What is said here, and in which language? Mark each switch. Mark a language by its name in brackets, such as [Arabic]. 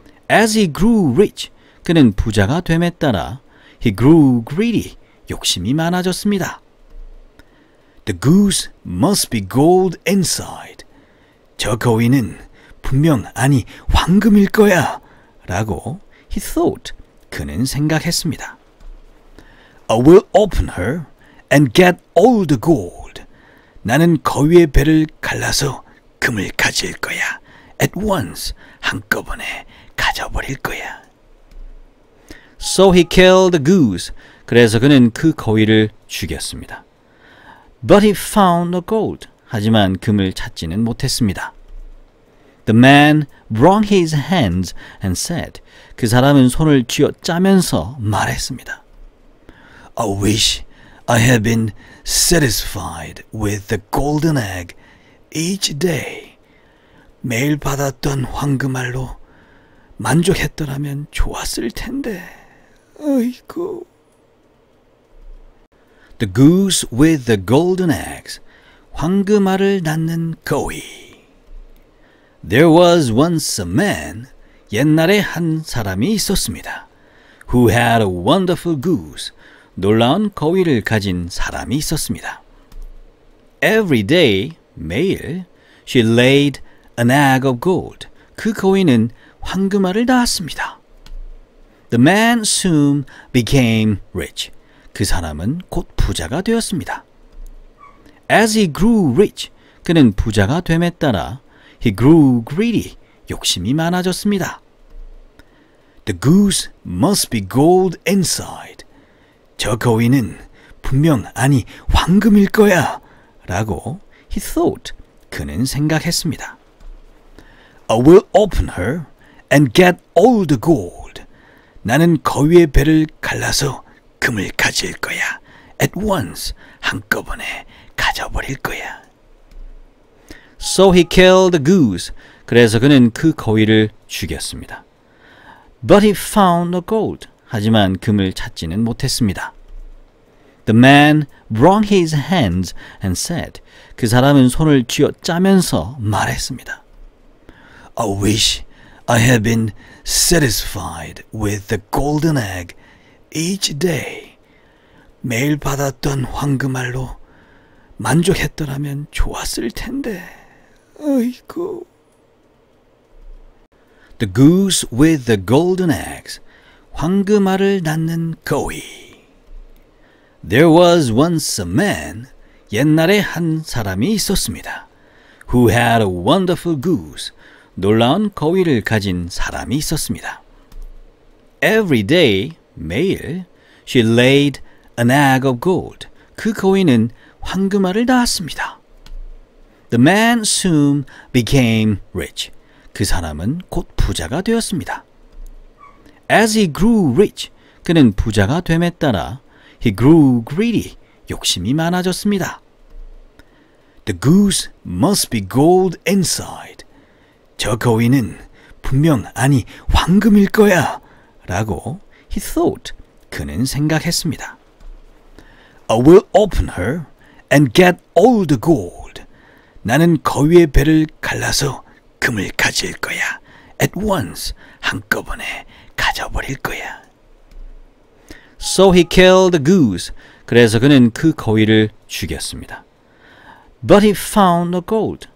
[English] As he grew rich, [Korean] 그는 부자가 됨에 따라 [English] He grew greedy. [Korean] 욕심이 많아졌습니다. [English] The goose must be gold inside. [Korean] 저 거위는 분명 아니 황금일 거야. 라고 [English] he thought. [Korean] 그는 생각했습니다. [English] I will open her and get all the gold. [Korean] 나는 거위의 배를 갈라서 금을 가질 거야. [English] At once. [Korean] 한꺼번에 가져버릴 거야. [English] So he killed the goose. [Korean] 그래서 그는 그 거위를 죽였습니다. [English] But he found the gold. [Korean] 하지만 금을 찾지는 못했습니다. [English] The man wrung his hands and said, [Korean] 그 사람은 손을 쥐어짜면서 말했습니다. [English] I wish I had been satisfied with the golden egg each day. [Korean] 매일 받았던 황금 알로 만족했더라면 좋았을 텐데. 아이고. [English] The goose with the golden eggs. [Korean] 황금 알을 낳는 거위. [English] There was once a man. [Korean] 옛날에 한 사람이 있었습니다. [English] Who had a wonderful goose. [Korean] 놀라운 거위를 가진 사람이 있었습니다. [English] Every day, 매일, she laid an egg of gold. [Korean] 그 거위는 황금 알을 낳았습니다. [English] The man soon became rich. [Korean] 그 사람은 곧 부자가 되었습니다. [English] As he grew rich, [Korean] 그는 부자가 됨에 따라 [English] he grew greedy, [Korean] 욕심이 많아졌습니다. [English] The goose must be gold inside. [Korean] 저 거위는 분명 아니 황금일 거야. 라고 [English] he thought. [Korean] 그는 생각했습니다. [English] I will open her and get all the gold. [Korean] 나는 거위의 배를 갈라서 금을 가질 거야. [English] At once, [Korean] 한꺼번에 가져버릴 거야. [English] So he killed the goose. [Korean] 그래서 그는 그 거위를 죽였습니다. [English] But he found the gold. [Korean] 하지만 금을 찾지는 못했습니다. [English] The man wrung his hands and said, [Korean] 그 사람은 손을 쥐어짜면서 말했습니다. [English] I wish I had been satisfied with the golden egg each day. [Korean] 매일 받았던 황금 알로 만족했더라면 좋았을 텐데. 아이고. [English] The goose with the golden eggs. [Korean] 황금 알을 낳는 거위. [English] There was once a man. [Korean] 옛날에 한 사람이 있었습니다. [English] Who had a wonderful goose. [Korean] 놀라운 거위를 가진 사람이 있었습니다. [English] Every day, 매일, she laid an egg of gold. [Korean] 그 거위는 황금 알을 낳았습니다. [English] The man soon became rich. [Korean] 그 사람은 곧 부자가 되었습니다. [English] As he grew rich, [Korean] 그는 부자가 됨에 따라 [English] he grew greedy, [Korean] 욕심이 많아졌습니다. [English] The goose must be gold inside. [Korean] 저 거위는 분명 아니 황금일 거야. 라고 [English] he thought. [Korean] 그는 생각했습니다. [English] I will open her and get all the gold. [Korean] 나는 거위의 배를 가져다 갈라서 금을 가질 거야. [English] At once, [Korean] 한꺼번에 가져버릴 거야. [English] So he killed the goose. [Korean] 그래서 그는 그 거위를 죽였습니다. [English] But he found the gold.